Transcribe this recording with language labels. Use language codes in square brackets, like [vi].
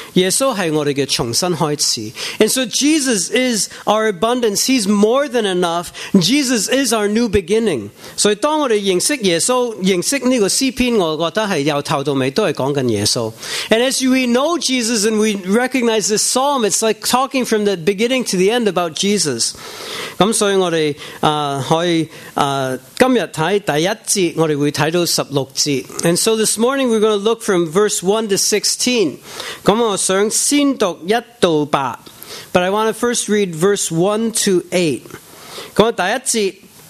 [zh] 所以耶稣就是我们的足够,耶稣是丰富的,耶稣是我们的重新开始. [en] And so Jesus is our abundance. He's more than enough. Jesus is our new beginning. [zh] 所以当我们认识耶稣,认识这个诗篇,我觉得是由头到尾都是讲耶稣. [en] And as we know Jesus and we recognize this psalm, it's like talking from the beginning to the end about Jesus. [zh] 所以我们可以今天看第一节,我们会看到16节. [en] And so this morning we're going to look from verse 1 to 16. [zh] 我想先读1到8, [en] but I want to first read verse 1 to 8.